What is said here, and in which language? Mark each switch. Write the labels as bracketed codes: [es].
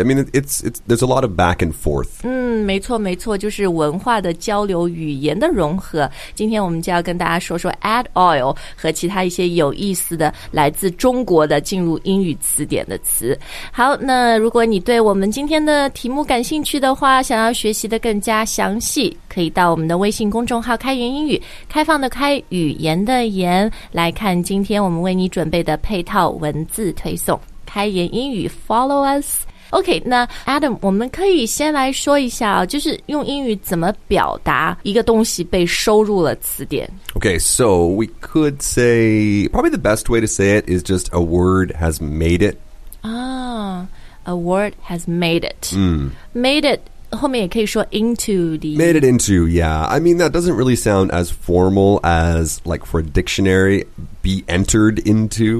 [en] I mean, it's there's a lot of back and forth. [zh] 嗯，没错没错，就是文化的交流，语言的融合。今天我们就要跟大家说说 add oil 和其他一些有意思的来自中国的进入英语词典的词。好，那如果你对我们今天的题目感兴趣的话，想要学习的更加详细，可以到我们的微信公众号开言英语，开放的开，语言的言，来看今天我们为你准备的配套文字推送。开言英语 [en] follow us。 [zh] OK， 那 Adam， 我们可以先来说一下，就是用英语怎么表达一个东西被收入了词典。 [en] OK， so we could say probably the best way to say it is just a word has made it. A word has made it.、Made it, [zh] 后面也可以说 [en] into the... Made it into, yeah. I mean, that doesn't really sound as formal as, like, for a dictionary, be entered into.